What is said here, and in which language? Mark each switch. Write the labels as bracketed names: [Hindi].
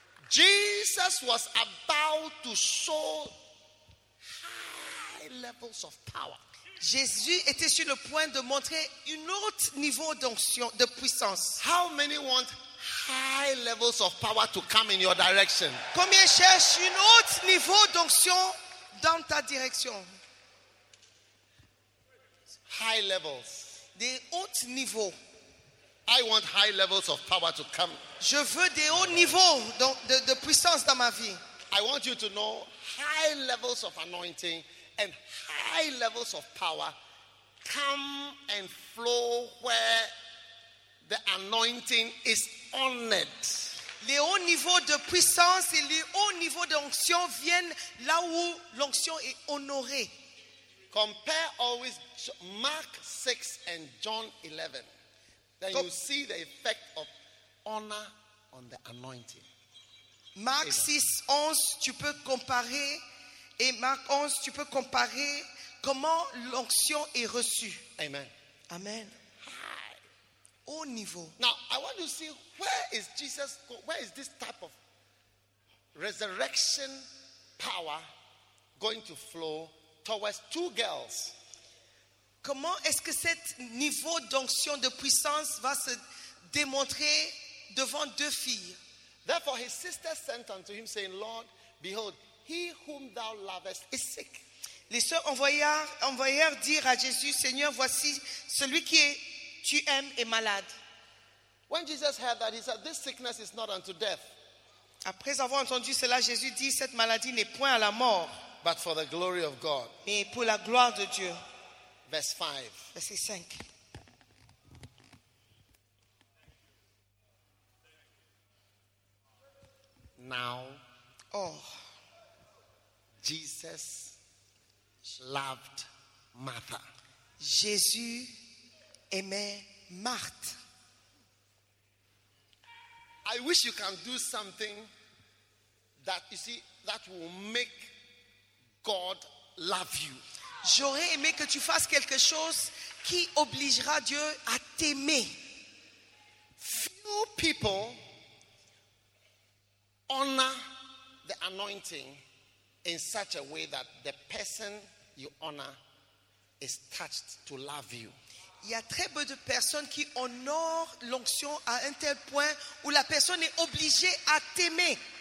[English] Jesus was about to show high levels of power. [French] Jésus était sur le point de montrer un autre niveau d'onction, de puissance. [English] How many want high levels of power to come in your direction? [French] Combien cherche un autre niveau d'onction dans ta direction? [English] High levels. [French] Des hauts niveaux. [English] I want high levels of power to come. [French] Je veux des hauts niveaux de puissance dans ma vie. [English] I want you to know high levels of anointing and high levels of power come and flow where the anointing is honored. [French] Les hauts niveaux de puissance et les hauts niveaux d'onction viennent là où l'onction est honorée. [English] Compare always Mark 6 and John 11. Then you see the effect of honor on the anointing. [French] Mark 6, 11, tu peux comparer. Et Mark 11, tu peux comparer comment l'onction est reçue. [English] Amen. [French] Amen. Au niveau. [English] Now, I want to see where is Jesus, where is this type of resurrection power going to flow towards two girls? [French] Comment est-ce que cet niveau d'onction de puissance va se démontrer devant deux filles? [English] Therefore, his sister sent unto him, saying, Lord, behold, he whom thou lovest is sick. [French] Les sœurs envoyèrent dire à Jésus, Seigneur, voici celui qui est, tu aimes est malade. [English] When Jesus heard that, he said, this sickness is not unto death. [French] Après avoir entendu cela, Jésus dit, cette maladie n'est point à la mort. [English] But for the glory of God. [French] Mais pour la gloire de Dieu. [English] Verse 5. [French] Verset 5. [English] Now, oh, Jesus loved Martha. [French] Jésus aimait Marthe. [English] I wish you can do something that you see that will make God love you. [French] J'aurais aimé que tu fasses quelque chose qui obligera Dieu à t'aimer. [English] Few people honor the anointing in such a way that the person you honor is touched to love you. [French] Il y a très peu de personnes qui honorent l'onction à un tel point où la personne est obligée à t'aimer.